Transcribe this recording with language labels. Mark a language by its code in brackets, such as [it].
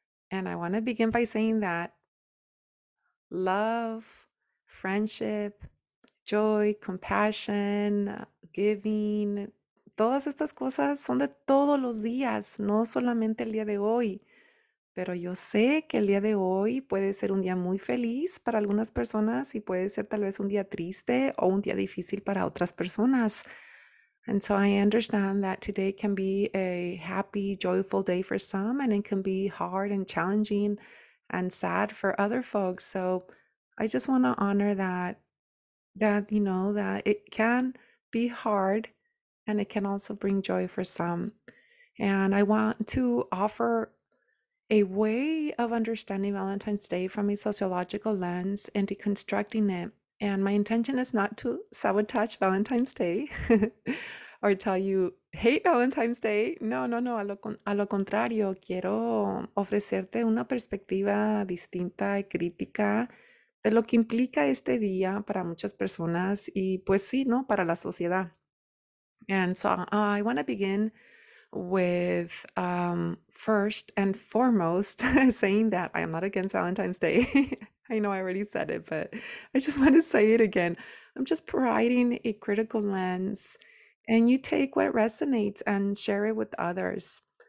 [en] And I want to begin by saying that love, friendship, joy, compassion, giving, [es] todas estas cosas son de todos los días, no solamente el día de hoy. Pero yo sé que el día de hoy puede ser un día muy feliz para algunas personas y puede ser tal vez un día triste o un día difícil para otras personas. [en] And so I understand that today can be a happy, joyful day for some, and it can be hard and challenging and sad for other folks. So I just want to honor that, you know, that it can be hard and it can also bring joy for some. And I want to offer a way of understanding Valentine's Day from a sociological lens and deconstructing it. And my intention is not to sabotage Valentine's Day or tell you, hate Valentine's Day. No. [es] A lo contrario, quiero ofrecerte una perspectiva distinta y crítica de lo que implica este día para muchas personas y pues sí, ¿no? Para la sociedad. [en] And so I want to begin with first and foremost saying that I am not against Valentine's Day. I know I already said it, but I just want to say it again. I'm just providing a critical lens, and you take what resonates and share it with others.